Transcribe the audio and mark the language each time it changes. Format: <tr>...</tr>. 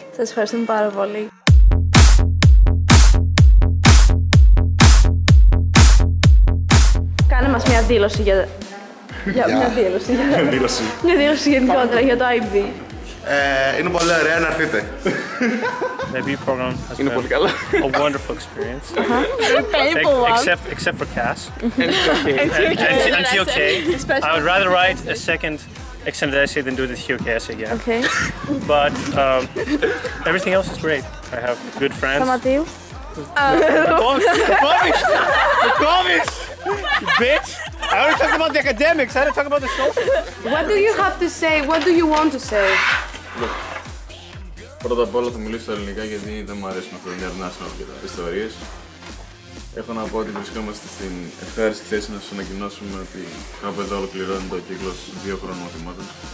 <el>Σας ευχαριστούμε πάρα πολύ. Κάνε μας μια δήλωση για... Μια δήλωση γενικότερα για το IB. Είναι πολύ ωραία να έρθετε.</el> <en>The IB program has</en> <el>είναι</el> <en>been</en> <el>πολύ καλά.</el> <en>A wonderful experience. except for Cass. And TOK. I would rather write a second extended essay than do the TOK essay again. Okay. But everything else is great. I have good friends.</en> <el>Σταματίου.</el> <en>The comics! Bitch! I already talked about the academics, I didn't talk about the social. What do you have to say? What do you want to say? Look,</en> <el>πρώτα απ' όλα θα μιλήσω ελληνικά γιατί δεν μου αρέσουν αυτά τα international και τα ιστορίες. Έχω να πω ότι βρισκόμαστε στην ευχάριστη θέση να σας ανακοινώσουμε ότι κάπου εδώ ολοκληρώνει το κύκλος 2 χρόνων μαθημάτων.</el>